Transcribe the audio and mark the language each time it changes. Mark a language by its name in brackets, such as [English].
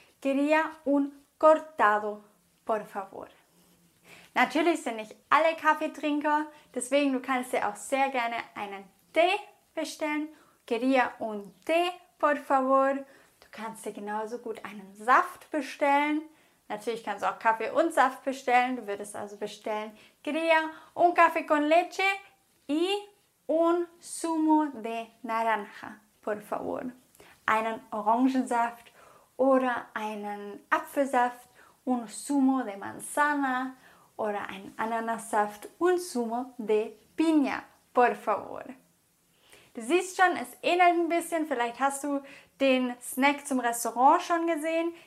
[Spanish] Quería un cortado, por favor. [German] Natürlich sind nicht alle Kaffeetrinker, deswegen du kannst dir auch sehr gerne einen Tee bestellen. [Spanish] Quería un té, por favor. [German] Du kannst dir genauso gut einen Saft bestellen. Natürlich kannst du auch Kaffee und Saft bestellen. Du würdest also bestellen, [Spanish] quería un café con leche y un zumo de naranja, por favor. [German] Einen Orangensaft oder einen Apfelsaft, [Spanish] un zumo de manzana. [German] Oder ein Ananassaft und [Spanish] Zumo de Piña, por favor. [German] Du siehst schon, es ähnelt ein bisschen. Vielleicht hast du den Snack zum Restaurant schon gesehen.